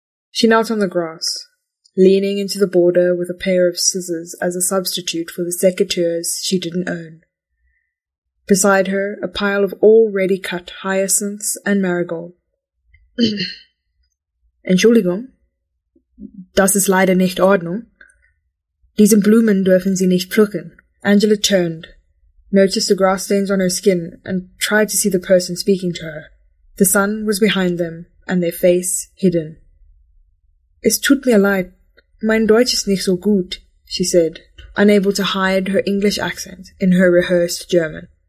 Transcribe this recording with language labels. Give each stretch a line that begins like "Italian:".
English: She knelt on the grass, leaning into the border with a pair of scissors as a substitute for the secateurs she didn't own. Beside her, a pile of already cut hyacinths and marigold.
German: Entschuldigung. Das ist leider nicht Ordnung. Diesen Blumen dürfen Sie nicht pflücken.
English: Angela turned, noticed the grass stains on her skin, and tried to see the person speaking to her. The sun was behind them, and their face hidden.
German: Es tut mir leid. Mein Deutsch ist nicht so gut,
English: she said, unable to hide her English accent in her rehearsed German.